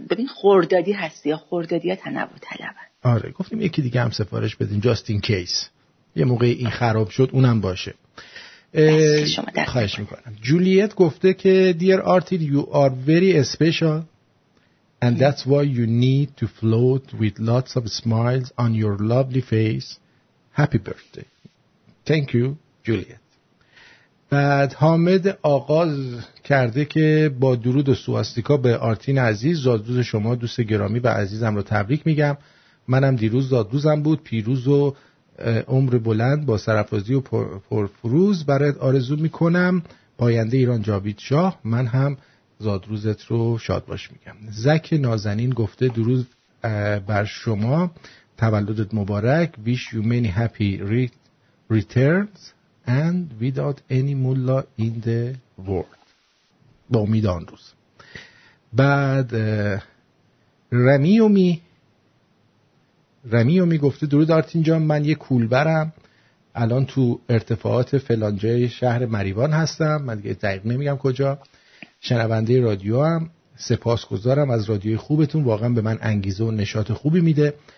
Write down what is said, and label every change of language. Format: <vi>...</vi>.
<fa>ببین خردادی هستی یا خردادی یا تنوع طلبن. آره گفتیم یکی دیگه هم سفارش بدیم جاستین کیس. یه موقعی این خراب شد اونم باشه. خواهش میکنم. جولیت گفته که</fa> <en>Dear Artie, you are very special and that's why you need to float with lots of smiles on your lovely face. Happy birthday. Thank you, Juliet.</en> <fa>بعد حامد آغاز کرده که با درود و سواستیکا به آرتین عزیز، زادروز شما دوست گرامی و عزیزم رو تبریک میگم. منم دیروز زادروزم بود، پیروز و عمر بلند با سرافرازی و پرفروز برات آرزو میکنم. پاینده ایران جاوید شاه، من هم زادروزت رو شاد باش میگم. زک نازنین گفته درود بر شما، تولدت مبارک.</fa> <en>Wish you many happy returns and without any mullah in the world.</en> <fa>با امید آن روز. بعد رمیومی گفته درود آرتین جان، من یه کولبرم، الان تو ارتفاعات فلان جای شهر مریوان هستم، من دیگه دقیق نمیگم کجا، شنونده رادیو هم، سپاسگزارم از رادیوی خوبتون، واقعا به من انگیزه و نشاط خوبی میده.</fa>